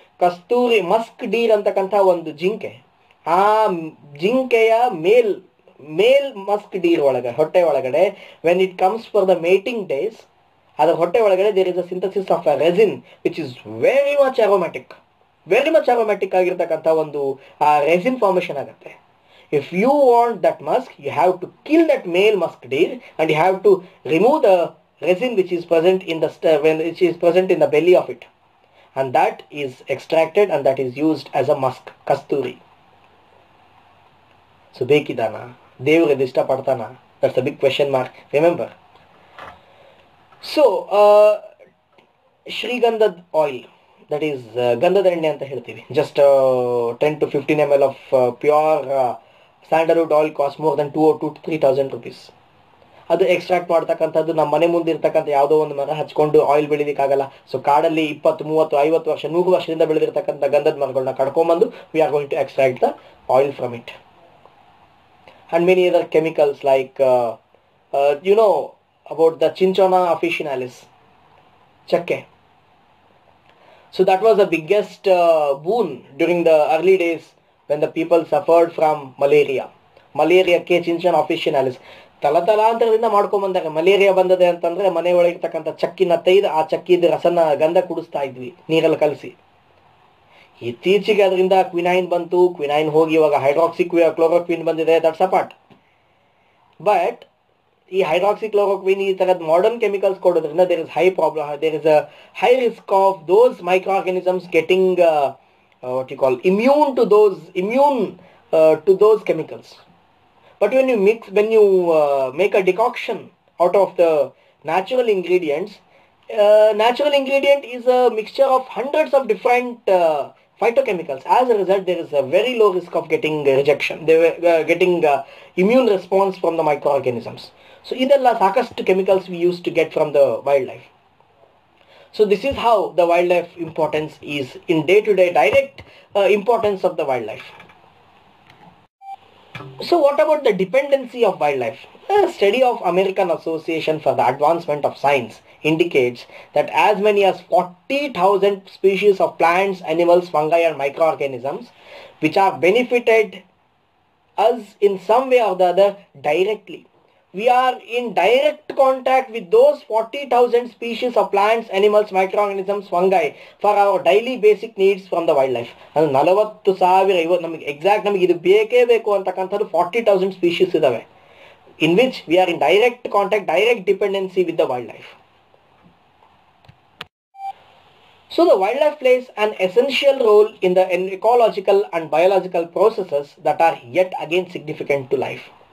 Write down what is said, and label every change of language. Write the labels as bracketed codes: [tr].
[kn] ಕಸ್ತೂರಿ Musk Deere ಅಂತಕ್ಕಂಥ ಒಂದು ಜಿಂಕೆ, ಆ ಜಿಂಕೆಯ ಮೇಲ್ ಮಸ್ಕ್ ಡೀರ್ ಒಳಗಡೆ ಹೊಟ್ಟೆ ಒಳಗಡೆ [en] when it comes for the mating days, [kn] ಅದರ ಹೊಟ್ಟೆ ಒಳಗಡೆ [en] there is a synthesis of a resin which is very much aromatic [kn] ಆಗಿರ್ತಕ್ಕಂಥ ಒಂದು ಆ ರೆಸಿನ್ ಫಾರ್ಮೇಷನ್ ಆಗುತ್ತೆ. [en] If you want that musk you have to kill that male musk deer and you have to remove the resin which is present in the which is present in the belly of it, and that is extracted and that is used as a musk, kasturi. So [kn] bekidana devre ishta padtana, [en] that's a big question mark, remember. So shrigandha oil, that is [kn] gandhad enne anta heltivi, [en] just 10 to 15 ml of pure sandalwood oil costs more than 2 or 2 to 3,000 rupees. [kn] ಅದು extract ಮಾಡ್ತಕ್ಕಂಥದ್ದು ನಮ್ಮ ಮನೆ ಮುಂದಿರ್ತಕ್ಕಂಥ ಯಾವುದೋ ಒಂದು ಮರ ಹಚ್ಕೊಂಡು oil ಬೆಳಿಲಿಕ್ಕಾಗಲ್ಲ. So ಕಾಡಲ್ಲಿ 20, 30, 50 ವರ್ಷ, 100 ವರ್ಷದಿಂದ ಬೆಳೆದಿರ್ತಕ್ಕಂಥ ಗಂಧದ ಮರಗಳನ್ನ ಕಡ್ಕೊಂಬಂದು [en] We are going to extract the oil from it. And many other chemicals like you know about the cinchona officinalis, ಚಕ್ಕೆ. So that was the biggest boon during the early days when the people suffered from malaria. [kn] ಮಲೇರಿಯಾಕ್ಕೆ ಚಿಂಚೋನಾ ಅಫಿಷಿನಾಲಿಸ್ ತಲಾಂತರದಿಂದ ಮಾಡ್ಕೊಂಬಂದಾಗ malaria ಬಂದದೆ ಅಂತಂದ್ರೆ ಮನೆಯೊಳಗಿರ್ತಕ್ಕಂಥ ಚಕ್ಕಿನ ತೈದು ಆ ಚಕ್ಕಿದ ರಸನ ಗಂಧ ಕುಡಿಸ್ತಾ ಇದ್ವಿ ನೀರಲ್ಲಿ ಕಲಸಿ. ಇತ್ತೀಚೆಗೆ ಅದರಿಂದ ಕ್ವಿನೈನ್ ಬಂತು, ಕ್ವಿನೈನ್ ಹೋಗಿ ಇವಾಗ ಹೈಡ್ರಾಕ್ಸಿ ಕ್ಲೋರೋಕ್ವಿನ್ ಬಂದಿದೆ, [en] That's a part. But ಈ hydroxychloroquine [kn] ಈ ತರದ ಮಾಡರ್ನ್ ಕೆಮಿಕಲ್ಸ್ ಕೊಡೋದ್ರಿಂದ [en] There is high problem, there is a high risk of those microorganisms getting what you call immune to those chemicals. But when you mix, when you make a decoction out of the natural ingredients, natural ingredient is a mixture of hundreds of different phytochemicals. As a result, there is a very low risk of getting rejection, getting immune response from the microorganisms. So, [kn] idella sakashtu [en] chemicals we used to get from the wildlife. So, this is how the wildlife importance is in day-to-day direct importance of the wildlife. So what about the dependency of wildlife? A study of American Association for the Advancement of Science indicates that as many as 40,000 species of plants, animals, fungi and microorganisms which are benefited us in some way or the other directly. We are in direct contact with those 40,000 species of plants, animals, microorganisms, fungi for our daily basic needs from the wildlife. [kn] ಅದು 40,000 ಇವತ್ತು ನಮಗೆ exact ನಮಗೆ ಇದು ಬೇಕೇ ಬೇಕು ಅಂತಕ್ಕಂಥದ್ದು 40,000 species ಇದ್ದಾವೆ, [en] In which we are in direct contact, direct dependency with the wildlife. So the wildlife plays an essential role in the ecological and biological processes that are yet again significant to life.